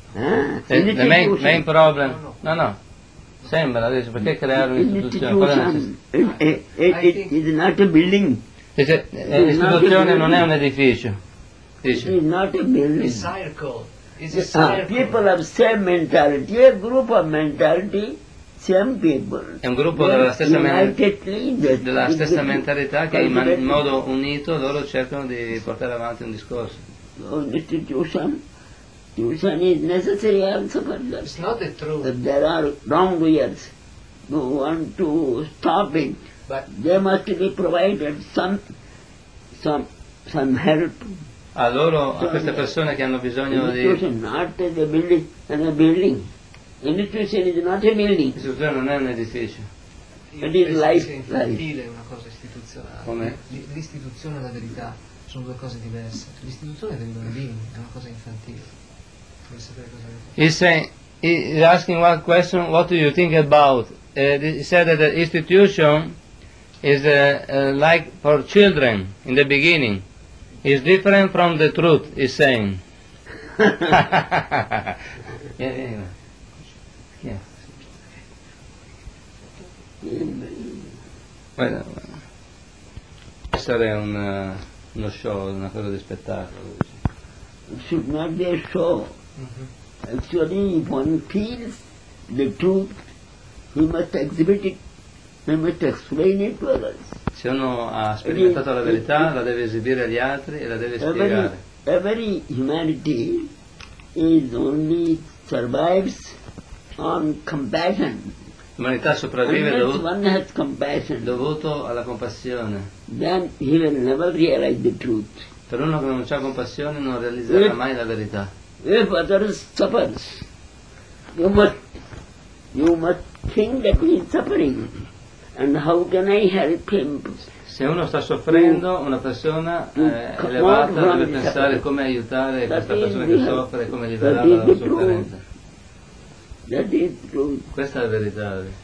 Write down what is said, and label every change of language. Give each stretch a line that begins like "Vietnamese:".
English: The main problem. No.
Italian: Sembra, adesso, perché creare un'istituzione? Qual è la necessità?
English: It is not a building.
Italian: L'istituzione non è un edificio.
English: It is not a building. It's a circle. People have same mentality, a group of mentality, same people.
Italian: È un gruppo della stessa mentalità che in modo unito loro cercano di portare avanti un discorso.
English: Institution is necessary also for that. It's not the truth. If there are wrongdoers who want to stop it, but they must be provided some help.
Italian: A loro, a queste persone che hanno bisogno di.
English: Institution is not a building.
Italian: Istituzione non è un edificio.
English: It is life.
Italian: Una cosa istituzionale. Come? L'istituzione e la verità sono due cose diverse. L'istituzione è dei bambini, è una cosa infantile. Vuoi sapere cosa vuoi fare?
English: He's asking one question, what do you think about? He said that the institution is like for children in the beginning. Is different from the truth, he's saying. Yeah.
Italian: Bueno, questo è uno show, una cosa di spettacolo.
English: Su Nadia Show, actually one feels the truth, he must exhibit it, he must explain it to others.
Italian: Se uno ha sperimentato la verità, la deve esibire agli altri e la deve spiegare.
English: Every humanity is only survives on compassion.
Italian: L'umanità sopravvive dovuto alla compassione.
English: Then he will never realize the truth.
Italian: Per uno che non ha compassione non realizzerà mai la verità.
English: If others suffer, you must think that he is suffering. And how can I help him?
Italian: Se uno sta soffrendo, una persona elevata deve pensare come aiutare questa persona che soffre, come liberarla dalla sofferenza.
English: That is true.
Italian: Questa è la verità.